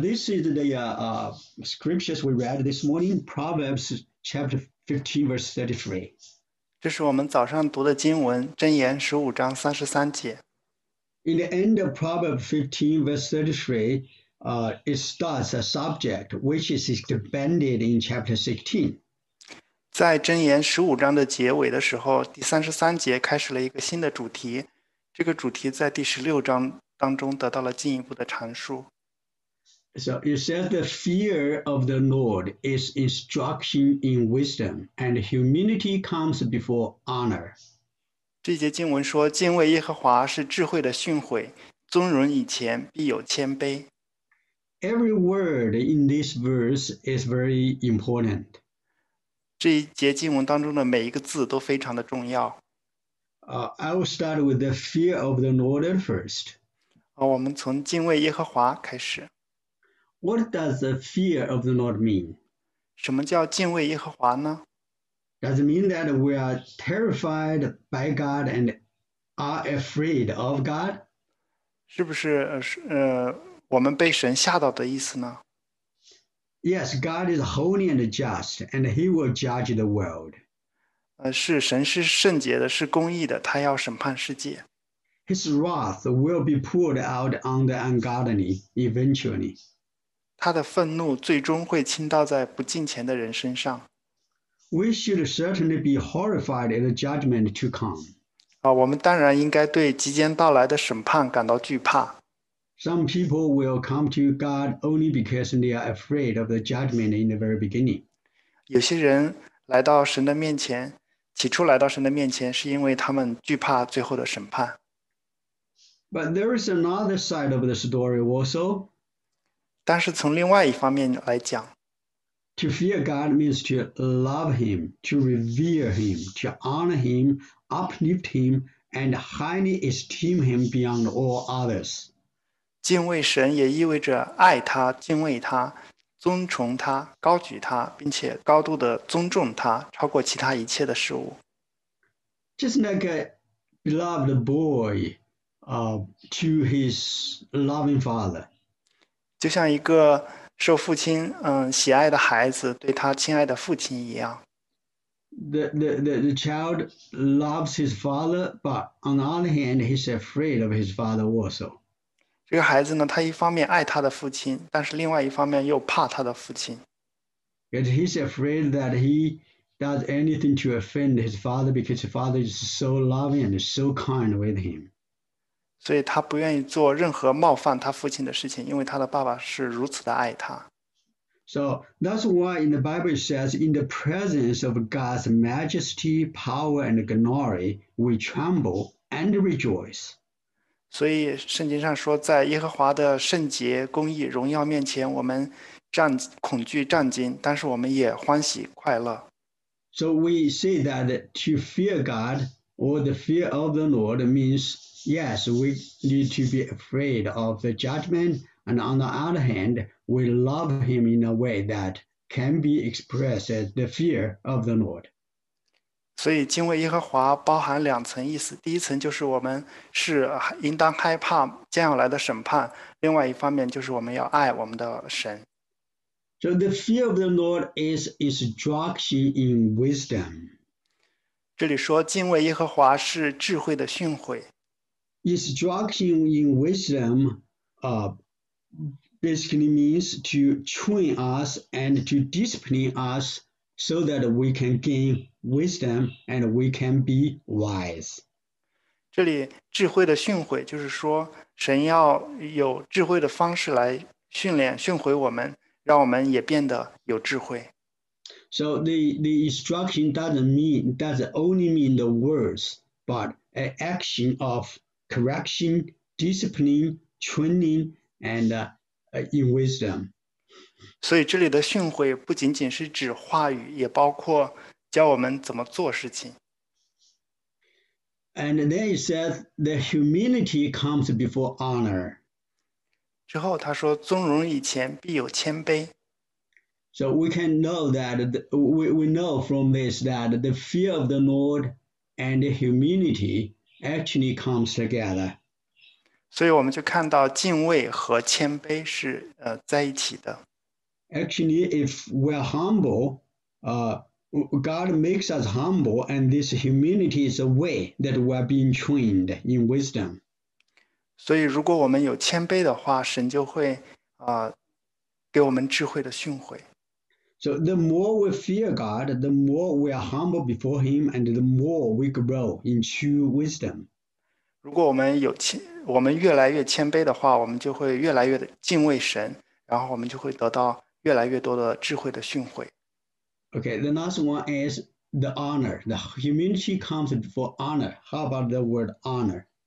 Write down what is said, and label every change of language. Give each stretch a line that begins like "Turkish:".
English: This is the scriptures we read this morning, Proverbs chapter 15, verse 33.
Chinese: 这是我们早上读的经文，箴言十五章三十三节。
English: In the end of Proverbs 15, verse 33, it starts a subject which is expanded in chapter 16.
Chinese: 在箴言十五章的结尾的时候，第三十三节开始了一个新的主题。这个主题在第十六章当中得到了进一步的阐述。
English: So it says the fear of the Lord is instruction in wisdom, and humility comes before honor.
Chinese: 这节经文说，敬畏耶和华是智慧的训诲，尊荣以前必有谦卑。
English: Every word in this verse is very important.
Chinese: 这一节经文当中的每一个字都非常的重要。
English: I will start with the fear of the Lord first.
Chinese: 我们从敬畏耶和华开始。
English: What does the fear of the Lord mean?
Chinese: 什么叫敬畏耶和华呢？
English: Does it mean that we are terrified by God and are afraid of God?
Chinese: 是不是我们被神吓到的意思呢？
English: Yes, God is holy and just, and he will judge the world.
Chinese: 是神是圣洁的，是公义的，他要审判世界。
English: His wrath will be poured out on the ungodly eventually.
Chinese: 他的愤怒最终会倾倒在不敬虔的人身上。
English: We should certainly be horrified at the judgment to come.
Chinese: 啊，我们当然应该对即将到来的审判感到惧怕。
English: Some people will come to God only because they are afraid of the judgment in the very beginning.
Chinese: 有些人来到神的面前，起初来到神的面前，是因为他们惧怕最后的审判。
English: But there is another side of the story also.
Chinese: 但是从另外一方面来讲，
English: To fear God means to love Him, to revere Him, to honor Him, uplift Him, and highly esteem Him beyond all others.
Chinese: 敬畏神也意味着爱他、敬畏他、尊崇他、高举他，并且高度的尊重他，超过其他一切的事物。
English: Just like a beloved boy, to his loving father.
Chinese: 就像一个受父亲喜爱的孩子对他亲爱的父亲一样。
English: The child loves his father, but on the other hand, he's afraid of his father also.
Chinese: 这个孩子呢，他一方面爱他的父亲，但是另外一方面又怕他的父亲。
English: Yet he's afraid that he does anything to offend his father because his father is so loving and so kind with him.
Chinese: 所以他不愿意做任何冒犯他父亲的事情，因为他的爸爸是如此的爱他。
English: So that's why in the Bible it says, in the presence of God's majesty, power, and glory, we tremble and rejoice.
Chinese: 所以圣经上说，在耶和华的圣洁、公义、荣耀面前，我们恐惧、战惊，但是我们也欢喜快乐。
English: So we see that to fear God or the fear of the Lord means, yes, we need to be afraid of the judgment. And on the other hand, we love him in a way that can be expressed as the fear of the Lord.
Chinese: 所以，敬畏耶和华包含两层意思。第一层就是我们是应当害怕将要来的审判；另外一方面就是我们要爱我们的神。
English: So the fear of the Lord is instruction in wisdom.
Chinese: 这里说敬畏耶和华是智慧的训诲。
English: Instruction in wisdom, basically means to train us and to discipline us so that we can gain wisdom and we can be wise.
Chinese: 这里智慧的训诲，就是说神要有智慧的方式来训练、训诲我们，让我们也变得有智慧。
English: So the instruction doesn't only mean the words, but an action of correction, discipline, training, in wisdom.
Chinese: 所以这里的训诲不仅仅是指话语，也包括教我们怎么做事情。
English: And then he said the humility comes before honor.
Chinese: 之后他说：“尊荣以前必有谦卑。
English: So we can know that we know from this that the fear of the Lord and the humility actually comes together.
Chinese: ”所以我们就看到敬畏和谦卑是在一起的。
English: Actually, if we are humble, God makes us humble, and this humility is a way that we are being trained in wisdom.
Chinese: 所以，如果我们有谦卑的话，神就会给我们智慧的训诲。
English: So the more we fear God, the more we are humble before Him, and the more we grow in true wisdom.
Chinese: 如果我们越来越谦卑的话，我们就会越来越的敬畏神，然后我们就会得到越来越多的智慧的训诲。
English: Okay, the last one is the honor. The humility comes before honor. How about the word honor?